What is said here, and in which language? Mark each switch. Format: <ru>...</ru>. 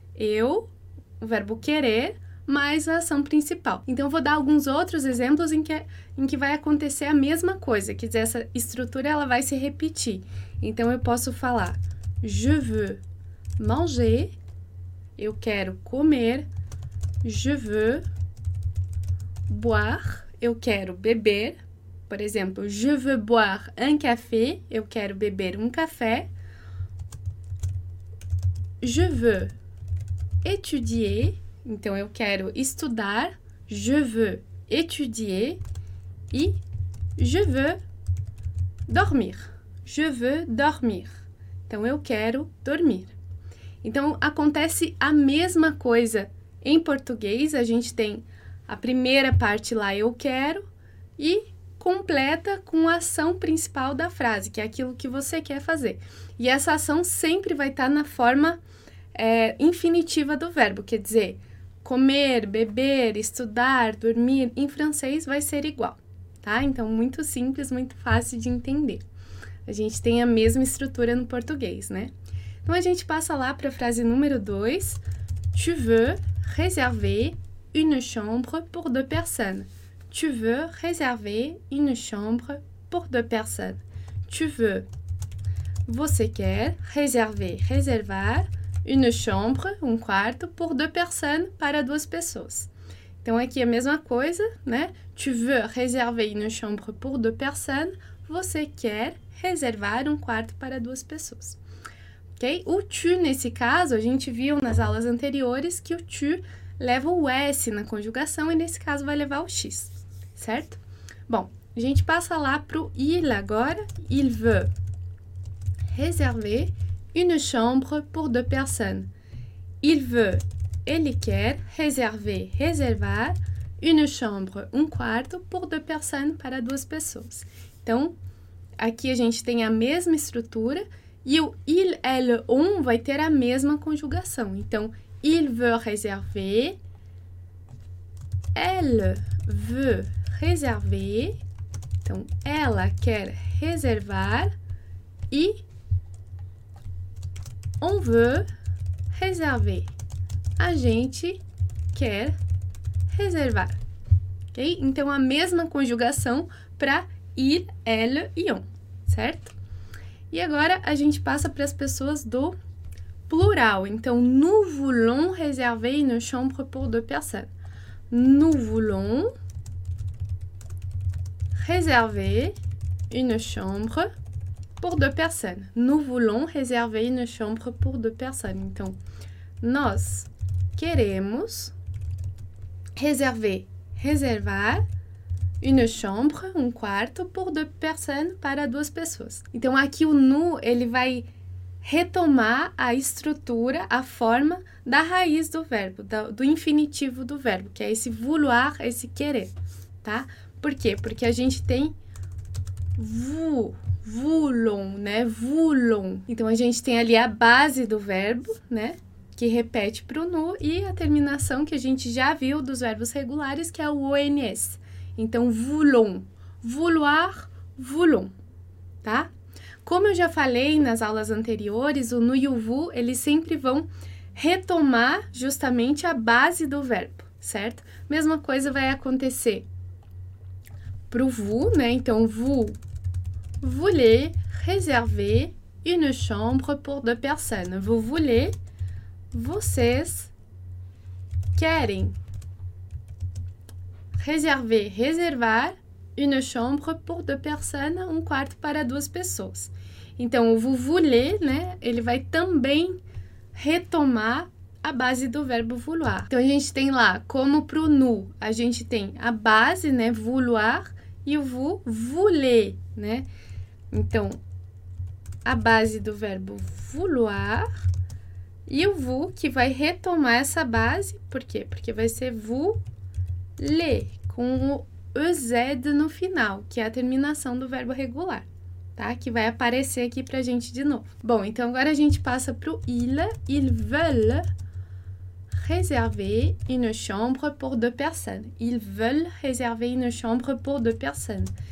<pt>Eu, o verbo querer, mais a ação principal. Então, eu vou dar alguns outros exemplos em que vai acontecer a mesma coisa, que essa estrutura ela vai se repetir. Então, eu posso falar:</pt> <fr>Je veux manger,</fr> <pt>eu quero comer.</pt> <fr>Je veux boire,</fr> <pt>eu quero beber. Por exemplo,</pt> <fr>je veux boire un café,</fr> <pt>eu quero beber um café.</pt> <fr>Je veux étudier,</fr> <pt>então eu quero estudar.</pt> <fr>Je veux étudier e je veux dormir. Je veux dormir.</fr> <pt>Então eu quero dormir. Então acontece a mesma coisa em português, a gente tem a primeira parte lá, eu quero, e completa com a ação principal da frase, que é aquilo que você quer fazer. E essa ação sempre vai estar na forma infinitiva do verbo, quer dizer, comer, beber, estudar, dormir, em francês vai ser igual, tá? Então, muito simples, muito fácil de entender. A gente tem a mesma estrutura no português, né? Então, a gente passa lá para a frase número 2.</pt> <fr>Tu veux réserver une chambre pour deux personnes. Tu veux réserver une chambre pour deux personnes. Tu veux.</fr> <pt>Você quer réservar</pt> <fr>une chambre,</fr> <pt>um quarto,</pt> <fr>pour deux personnes,</fr> <pt>para duas pessoas. Então aqui é a mesma coisa, né?</pt> <fr>Tu veux réserver une chambre pour deux personnes.</fr> <pt>Você quer reservar um quarto para duas pessoas. Ok? O tu, nesse caso, a gente viu nas aulas anteriores que o tu leva o S na conjugação e nesse caso vai levar o X. Certo? Bom, a gente passa lá para o il agora.</pt> <fr>Il veut réserver une chambre pour deux personnes. Il veut,</fr> <pt>ele quer réservar</pt> <fr>une chambre,</fr> <pt>um quarto,</pt> <fr>pour deux personnes,</fr> <pt>para duas pessoas. Então, aqui a gente tem a mesma estrutura e o il, elle, on vai ter a mesma conjugação. Então,</pt> <fr>il veut réserver, elle veut réserver,</fr> <pt>então ela quer reservar e</pt> <fr>on veut réserver.</fr> <pt>A gente quer reservar. Ok? Então, a mesma conjugação para ir, elle e on, certo? E agora a gente passa para as pessoas do plural.</pt> <fr>Então, nous voulons réserver une chambre pour deux personnes. Nous voulons réserver une chambre pour deux personnes. Nous voulons réserver une chambre pour deux personnes.</fr> <pt>Então, nós queremos reservar</pt> <fr>une chambre,</fr> <pt>um quarto,</pt> <fr>pour deux personnes,</fr> <pt>para duas pessoas. Então, aqui o nous, ele vai retomar a estrutura, a forma da raiz do verbo, do infinitivo do verbo, que é esse vouloir, esse querer, tá? Por quê? Porque a gente tem voulons, né? Voulons. Então, a gente tem ali a base do verbo, né? Que repete para o nu e a terminação que a gente já viu dos verbos regulares, que é o ONS. Então, voulons, vouloir, voulons, tá? Como eu já falei nas aulas anteriores, o nu e o vu, eles sempre vão retomar justamente a base do verbo, certo? Mesma coisa vai acontecer para o vu, né?</pt> <fr>Então, vous voulez réserver une chambre pour deux personnes. Vous voulez,</fr> <pt>vocês querem reservar</pt> <fr>une chambre pour deux personnes,</fr> <pt>um quarto para duas pessoas. Então, o vous voulez, né? Ele vai também retomar a base do verbo vouloir. Então, a gente tem lá, como para o nous, a gente tem a base, né? Vouloir e o vous voulez, né? Então, a base do verbo vouloir e o vous que vai retomar essa base. Por quê? Porque vai ser vous lê, com o EZ no final, que é a terminação do verbo regular, tá? Que vai aparecer aqui pra gente de novo. Bom, então agora a gente passa pro</pt> <fr>ils veulent réserver une chambre pour deux personnes. Ils veulent réserver une chambre pour deux personnes.</fr>